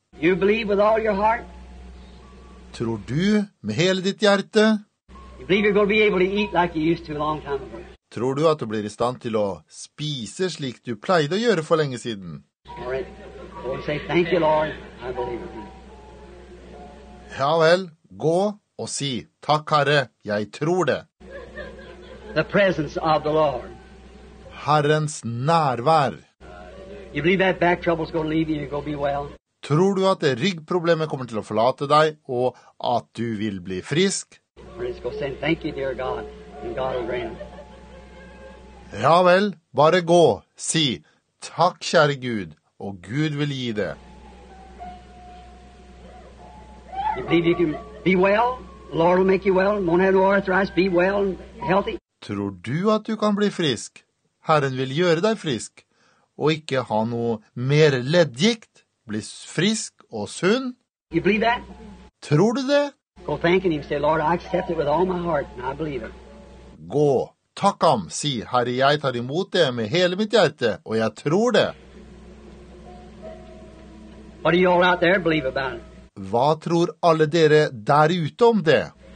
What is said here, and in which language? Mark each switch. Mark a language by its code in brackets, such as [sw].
[en] You believe with all your heart? [no] Tror du med hele ditt hjerte? [en] You believe you're going to be able to eat like you used to a long time ago? [no] Tror du at du blir I stand til å spise slik du pleide å gjøre for lenge siden? [en] All right. Lord, say thank you, Lord. I believe it. [no] Ja vel, gå og si, takk Herre, jeg tror det. [en] The presence of the Lord. [no] Herrens nærvær. [en] You believe that back trouble's going to leave you and go be well? [no] Tror du at det ryggproblemet kommer til å forlate deg, og at du vil bli frisk? [en] Friends, go send thank you, dear God, and God will grant. [no] Ja vel, bare gå, si, takk kjære Gud, og Gud vil gi det. [en] You believe you can be well? Lord will make you well. Won't have no arthritis. Be well and healthy. [no] Tror du at du kan bli frisk? Herren vil gjøre deg frisk. Og ikke ha noe mer leddgikt. Bli frisk og sunn. [en] You believe that? [no] Tror du det? [en] Go thanking him. Say, Lord, I accept it with all my heart. And I believe it. [no] Gå. Takk ham. Si, Herre, jeg tar imot det med hele mitt hjerte. Og jeg tror det. [en] What do you all out there believe about it? [no] Hva tror alle dere der ute om det?